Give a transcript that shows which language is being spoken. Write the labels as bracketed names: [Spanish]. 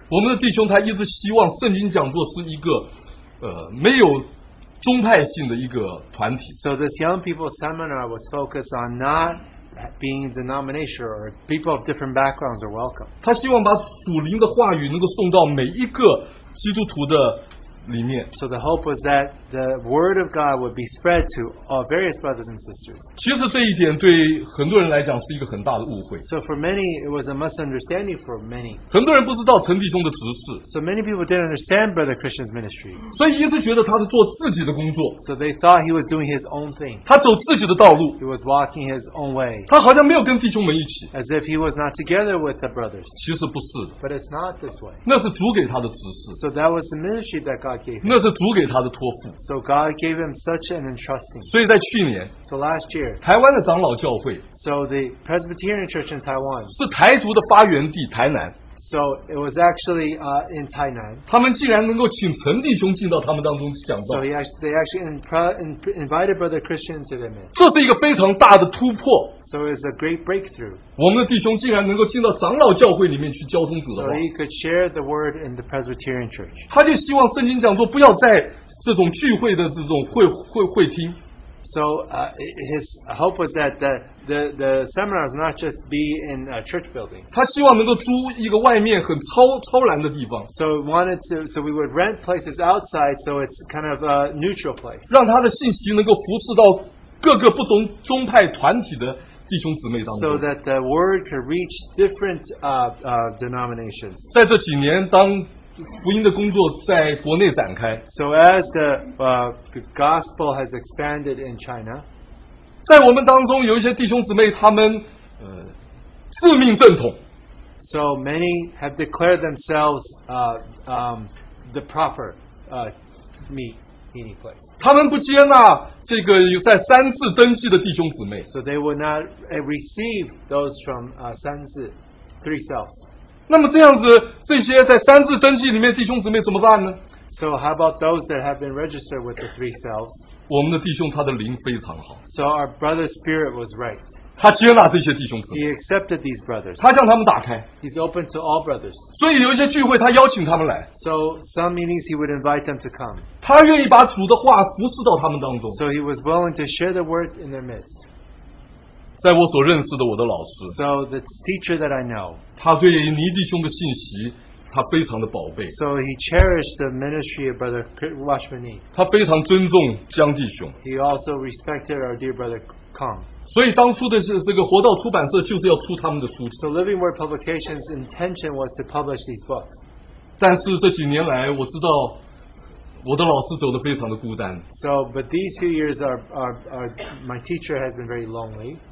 [Chinese] 我们的弟兄他一直希望圣经讲座是一个没有宗派性的一个团体。 [English] So this young people's seminar was focused on not being denominational or people of different backgrounds are welcome. [Chinese] 他希望把属灵的话语能够送到每一个基督徒的。 [English] So the hope was that the word of God would be spread to all various brothers and sisters. [Chinese] 其实这一点对很多人来讲是一个很大的误会。 [English] So for many, it was a misunderstanding for many. [Chinese] 很多人不知道陈弟兄的职事。 [English] So many people didn't understand Brother Christian's ministry. [Chinese] 所以一直觉得他是做自己的工作。 [English] So they thought he was doing his own thing. [Chinese] 他走自己的道路。 [English] He was walking his own way. [Chinese] 他好像没有跟弟兄们一起。 [English] As if he was not together with the brothers. [Chinese] 其实不是。 [English] But it's not this way. [Chinese] 那是主给他的职事。 [English] So that was the ministry that God [Chinese] 那是主给他的托付。 [English] So God gave him such an entrusting. [Chinese] 所以在去年 [English] ，So last year， [Chinese] 台湾的长老教会 [English] ，So the Presbyterian Church in Taiwan， [Chinese] 是台独的发源地台南。 [English] So it was actually in Tainan. [Chinese] 他们竟然能够请陈弟兄进到他们当中讲道。 [English] So they actually invited Brother Christian to them. [Chinese] 这是一个非常大的突破。 [English] So it's a great breakthrough. [Chinese] 我们的弟兄竟然能够进到长老教会里面去交通主的话。 [English] So he could share the word in the Presbyterian Church. [Chinese] 他就希望圣经讲座不要在这种聚会的这种会厅。 [English] So his hope was that the seminars not just be in a church building. [Chinese] 他希望能够租一个外面很超然的地方。 [English] So wanted to so we would rent places outside so it's kind of a neutral place. [Chinese] 让他的信息能够服侍到各个不同宗派团体的弟兄姊妹当中。 [English] So that the word could reach different denominations. [Chinese] 在这几年当福音的工作在国内展开。 [English] So as the gospel has expanded in China, [Chinese] 在我们当中有一些弟兄姊妹，他们自命正统。 [English] So many have declared themselves the proper meeting place. [Chinese] 他们不接纳这个有在三次登记的弟兄姊妹。 [English] So they will not receive those from 三次 selves. [Chinese] 那么这样子，这些在三字登记里面弟兄姊妹怎么办呢 [English] ？So how about those that have been registered with the three selves? [Chinese] 我们的弟兄他的灵非常好。 [English] So our brother's spirit was right. [Chinese] 他接纳这些弟兄姊妹。 [English] He accepted these brothers. [Chinese] 他向他们打开。 [English] He's open to all brothers. [Chinese] 所以有一些聚会他邀请他们来。 [English] So some meetings he would invite them to come. [Chinese] 他愿意把主的话服侍到他们当中。 [English] So he was willing to share the word in their midst. [Chinese] 在我所认识的我的老师 [English] So the teacher that I know [Chinese] 他对尼弟兄的信息他非常的宝贝 [English] So he cherished the ministry of Brother Washman Nee [Chinese] 他非常尊重江弟兄 [English] He also respected our dear Brother Kong [Chinese] 所以当初的这个活道出版社就是要出他们的书 [English] So Living Word Publications intention was to publish these books [Chinese] 但是这几年来我知道我的老师走得非常的孤单 [English] So but these few years are my teacher has been very lonely